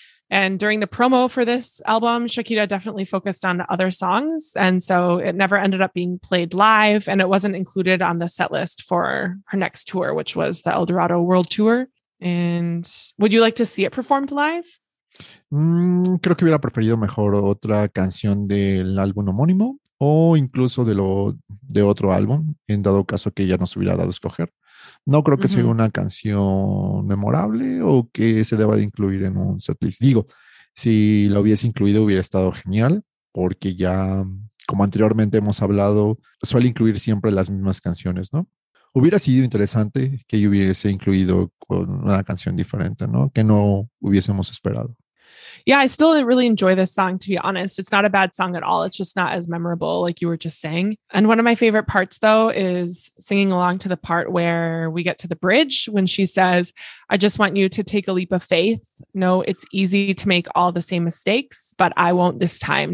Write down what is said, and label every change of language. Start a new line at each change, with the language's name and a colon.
English: And during the promo for this album, Shakira definitely focused on other songs. And so it never ended up being played live and it wasn't included on the set list for her next tour, which was the El Dorado World Tour. And would you like to see it performed live?
Spanish: Creo que hubiera preferido mejor otra canción del álbum homónimo o incluso de otro álbum, en dado caso que ella nos hubiera dado a escoger. No creo que sea una canción memorable o que se deba de incluir en un setlist. Digo, si la hubiese incluido hubiera estado genial, porque ya, como anteriormente hemos hablado, suele incluir siempre las mismas canciones, ¿no? Hubiera sido interesante que yo hubiese incluido con una canción diferente, ¿no? Que no hubiésemos esperado.
English: Yeah, I still really enjoy this song, to be honest. It's not a bad song at all. It's just not as memorable like you were just saying. And one of my favorite parts, though, is singing along to the part where we get to the bridge when she says, I just want you to take a leap of faith. No, it's easy to make all the same mistakes, but I won't this time.